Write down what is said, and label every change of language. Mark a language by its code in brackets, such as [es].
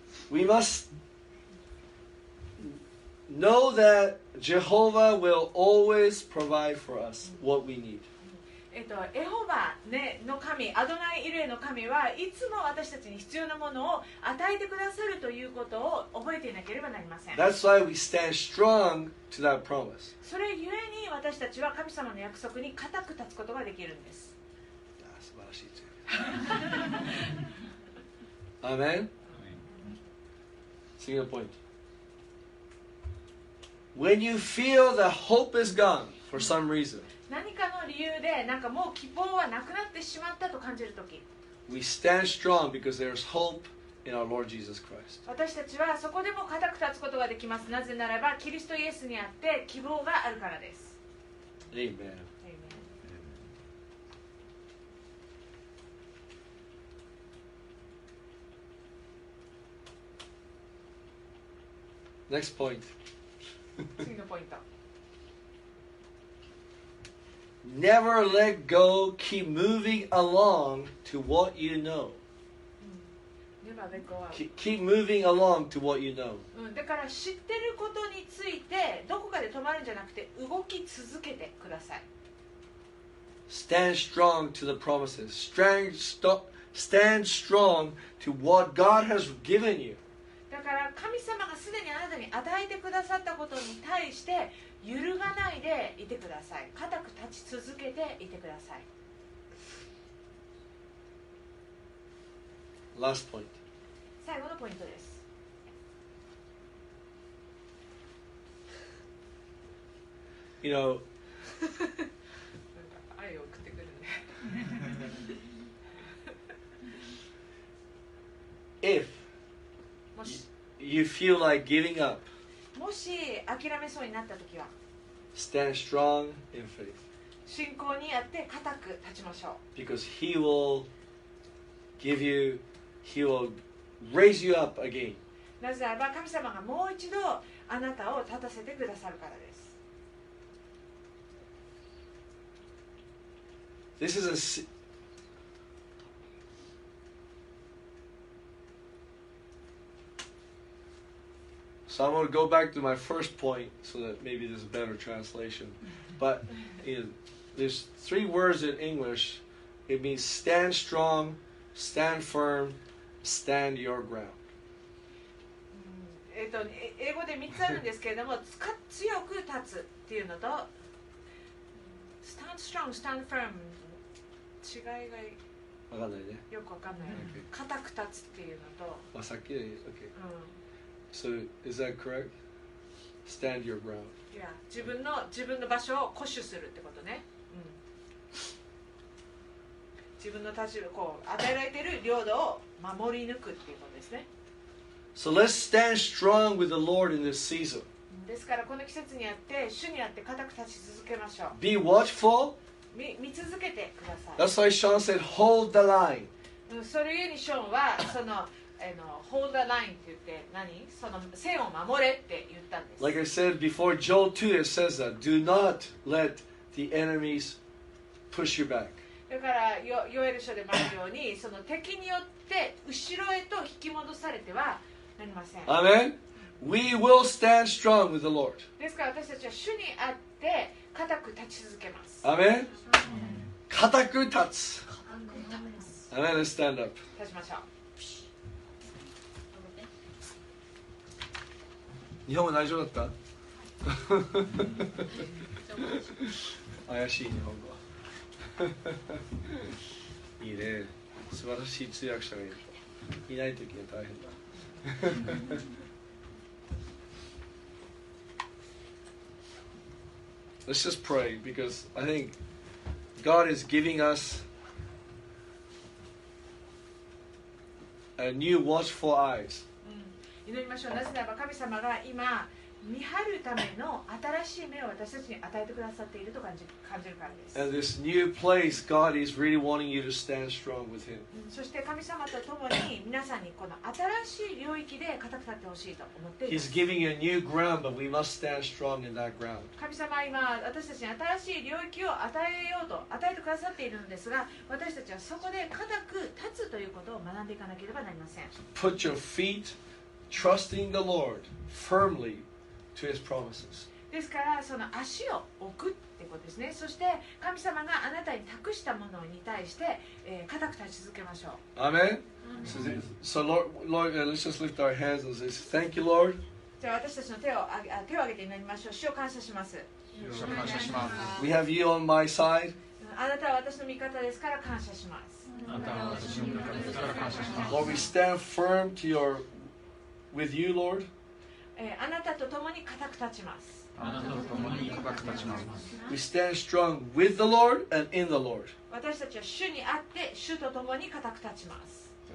[en] We must know that Jehovah will always provide for us what we need. [ja] エホバ、ね、の神、アドナイイレの神はいつも私たちに必要なものを与えてくださるということを覚えていなければなりません。 [en] That's why we stand strong to that promise. [ja] それゆえに私たちは神様の約束に固く立つことができるんです。素晴らしい。アメン。次のポイント、 [en] When you feel the hope is gone for some reason、 [ja] 何かの理由でなんかもう希望はなくなってしまったと感じるとき、 [en] We stand strong because there's hope in our Lord Jesus Christ. [ja] 私たちはそこでも固く立つことができます。なぜならばキリストイエスにあって希望があるからです。 [en] Amen. Amen. Next point. [ja] 次のポイント、 [en] Never let go, keep moving along to what you know. Never let go. Keep moving along to what you know. [ja] だから知ってることについてどこかで止まるんじゃなくて動き続けてください。 [en] Stand strong to the promises. Stand strong to what God has given you. [ja] だから神様がすでにあなたに与えてくださったことに対して揺るがないでいてください。固く立ち続けていてください。 [en] Last point. [ja] 最後のポイントです。 [en] You know, [ja] 愛を送ってくるね。 [en] If you feel like giving up, [ja] もし諦めそうになったときは [en] Stand strong in faith. [ja] 信仰にあって固く立ちましょう。 [en] Because he will give you, he will raise you up again. [ja] なぜならば神様がもう一度あなたを立たせてくださるからです。 [en] This is a So I'm going to go back to my first point so that maybe there's a better translation. But you know, there's three words in English. It means stand strong, stand firm, stand your ground. [ja] 英語で3つあるんですけれども、強く立つっていうのと、 [en] stand strong, stand firm, [ja] 違いが分かんないね。よく分かんない。固く立つっていうのと、まあさっきの、 [en] OK。So is that correct? Stand your ground. Yeah, [ja] 自分の場所を固守するってことね。自分の立場、こう与えられている領土を守り抜くっていうことですね。 [en] So let's stand strong with the Lord in this season. [ja] ですからこの季節にあって主にあって固く立ち続けましょう。 [en] Be watchful. [ja] 見続けてください。 [en] That's why Sean said, "Hold the line." [ja] それゆえにショーンはその [en] Hold the line [ja] って言って何その線を守れって言ったんです。 [en] Like I said before, Joel 2 it says that Do not let the enemies push you back. [ja] だからヨエル書でもあるようにその敵によって後ろへと引き戻されてはなりません。 [en] Amen. We will stand strong with the Lord. [ja] ですから私たちは主にあって固く立ち続けます。 Amen. 固く立つ。 [en] Amen. Let's stand up. [ja] 立ちましょう。日本は大丈夫だった？怪しい日本語。いいね。素晴らしい通訳者がいる。いないときは大変だ。 [en] Let's just pray because I think God is giving us a new watchful eyes. [ja] 祈りましょう。なぜならば神様が今見張るための新しい目を私たちに与えてくださっていると感じるからです。 [en] And this new place, God is really wanting you to stand strong with Him. [ja] そして神様と共に皆さんにこの新しい領域で固く立ってほしいと思っています。 [en] He's giving you a new ground, but we must stand strong in that ground. [ja] 神様は今私たちに新しい領域を与えようと与えてくださっているんですが、私たちはそこで固く立つということを学んでいかなければなりません。 [en] Put your feet.Trusting the Lord firmly to His promises. [ja] ですからその足を置くってことですね。そして神様があなたに託したものに対して、固く立ち続けましょう。アメン。 [en] So Lord, let's just lift our hands and say, Thank you, Lord. [ja] じゃあ私たちの手を挙げて祈りましょう。主を感謝します。主を感謝します。 [en] We have you on my side. [ja] あなたは私の味方ですから感謝します。あなたは私の味方ですから感謝します。 [en] Lord, we stand firm to your, with you, Lord. [ja] あなたと共に固く立ちます。あなたと共に固く立ちます。 [en] We stand strong with the Lord and in the Lord. [ja] 私たちは主にあって主と共に固く立ちます。